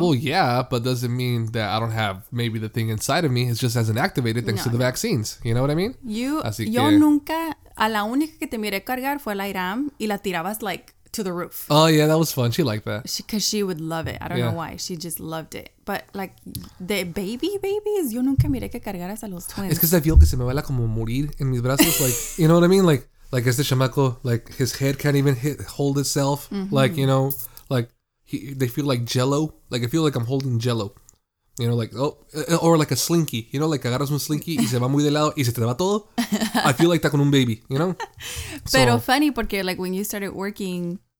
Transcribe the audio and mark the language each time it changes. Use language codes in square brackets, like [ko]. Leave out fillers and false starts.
[en] Well, yeah, but doesn't mean that I don't have maybe the thing inside of me. It just hasn't activated thanks to the vaccines, you know what I mean? [es] Nunca a la única que te miré cargar fue la Iram y la tirabas [en] like to the roof. Oh, yeah, that was fun. She liked that. Because she would love it. I don't know why. She just loved it. But, like, the babies, [es] yo nunca miré que cargaras a los twins. Es que se feel que se me va la como morir en mis brazos. [en] Like, you know what I mean? Like [es] este chamaco, [en] like, his head can't even hold itself. Mm-hmm. Like, you know, like, they feel like jello. Like, I feel like I'm holding jello. You know, like, oh, or like a slinky. You know, like, [es] agarras un slinky y se va muy de lado y se te va todo. [en] I feel like that [es] con un baby, [en] you know? Pero so, funny, porque, like, when you started working,